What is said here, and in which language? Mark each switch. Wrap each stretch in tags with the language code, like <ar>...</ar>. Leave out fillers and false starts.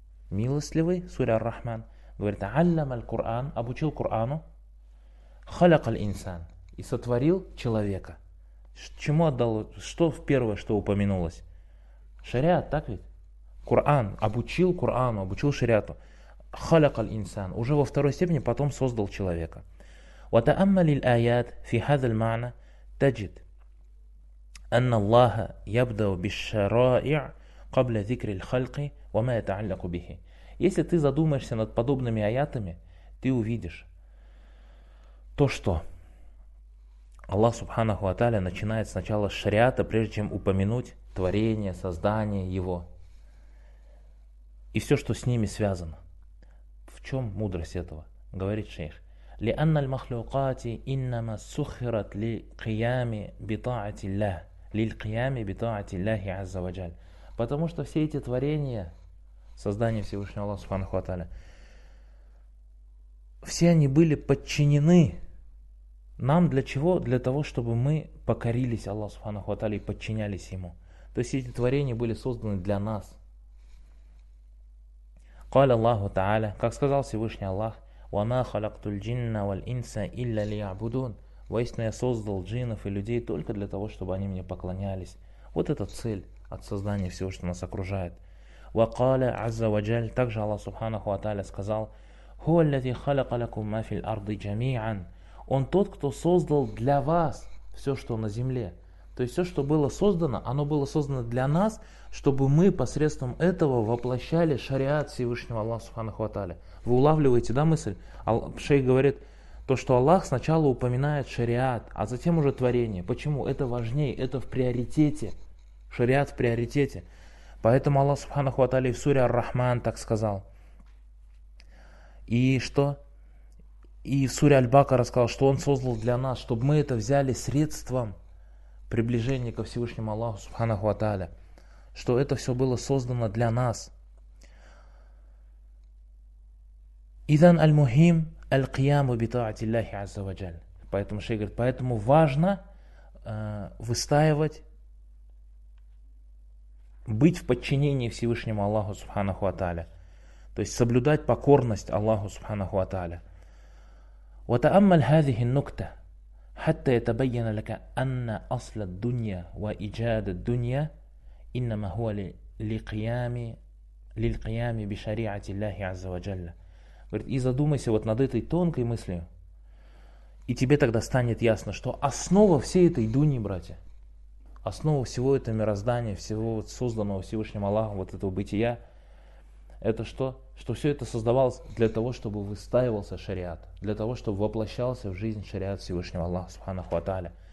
<ru>Милостливый, сура Ар-Рахман, говорит:</ru> <ar>«Аллама л-Кур'ан,</ar> <ru>обучил Кур'ану,</ru> <ar>халака л-Инсан,</ar> <ru>и сотворил человека». Чему отдал, что в первое, что упомянулось? Шариат, так ведь? Кур'ан, обучил Кур'ану, обучил шариату. Халака л-Инсан, уже во второй степени потом создал человека.</ru> <ar>وتأمل الآيات في هذا المعنى تجد أن الله يبدأ بالشرائع قبل ذكر الخلق وما يتعلق به.</ar> <ru>Если ты задумаешься над подобными аятами, ты увидишь то, что Аллах Субханаху ва Тааля начинает сначала с шариата, прежде чем упомянуть творение, создание его и все, что с ними связано. В чем мудрость этого? Говорит шейх:</ru> <ar>لأن المخلوقات إنما سخرت لقيام بطاعة الله للقيام بطاعة الله عز وجل.</ar> <ru>Потому что все эти творения, создание Всевышнего Аллаха Субханаху ва Тааля, все они были подчинены нам для чего? Для того, чтобы мы покорились Аллаху Субханаху ва Тааля и подчинялись ему. То есть эти творения были созданы для нас.</ru> <ar>قال الله تعالى,</ar> <ru>как сказал Всевышний Аллах:</ru> <ar>وَمَا خَلَقْتُ الْجِنَّ وَالْإِنْسَ إِلَّا لِيَعْبُدُونَ.</ar> <ru>Воистину я создал джиннов и людей только для того, чтобы они мне поклонялись. Вот это цель от создания всего, что нас окружает.</ru> <ar>وَقَالَ عَزَّ وَجَلْ.</ar> <ru>Также Аллах Субханаху ва Тааля сказал:</ru> <ar>هُوَ الَّذِي خَلَقَ لَكُمْ مَا فِي الْأَرْضِ جَمِيعًا.</ar> <ru>Он тот, кто создал для вас все, что на земле. То есть все, что было создано, оно было создано для нас, чтобы мы посредством этого воплощали шариат Всевышнего Аллаха Субханаху ва Тааля. Вы улавливаете, да, мысль? Шейх говорит, то, что Аллах сначала упоминает шариат, а затем уже творение. Почему? Это важнее, это в приоритете. Шариат в приоритете. Поэтому Аллах Субханаху ва Тааля в суре Ар-Рахман так сказал. И что? И в суре Аль-Бакара сказал, что Он создал для нас, чтобы мы это взяли средством приближение ко Всевышнему Аллаху Субханаху ва Тааля, что это все было создано для нас.</ru> <ar>Идан аль-мухим аль-кияму битаати Аллахи азза ва джаль.</ar> <ru>Поэтому шейх говорит, поэтому важно выстаивать быть в подчинении Всевышнему Аллаху Субханаху Аталя, то есть соблюдать покорность Аллаху Субханаху Аталя.</ru> <ar>وتأمل هذه النقطة حتى يتبين لك أن أصل الدنيا وإيجاد الدنيا إنما هو للقيام بشريعة الله عز وجل.</ar> <ru>Говорит, и задумайся вот над этой тонкой мыслью, и тебе тогда станет ясно, что основа всей этой дуньи, братья, основа всего этого мироздания, всего вот созданного Всевышним Аллахом, вот этого бытия, это что? Что все это создавалось для того, чтобы выстаивался шариат, для того, чтобы воплощался в жизнь шариат Всевышнего Аллаха, Субханаху ва Тааля.</ru>